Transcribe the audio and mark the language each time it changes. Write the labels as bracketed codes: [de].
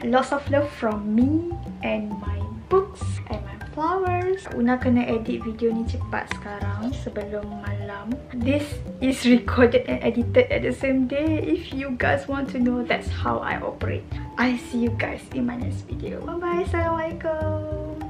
[en] Lots of love from me and my books and my flowers. [ms] Una kena edit video ni cepat sekarang sebelum malam. [en] This is recorded and edited at the same day. If you guys want to know, that's how I operate. I see you guys in my next video. Bye-bye. Assalamualaikum.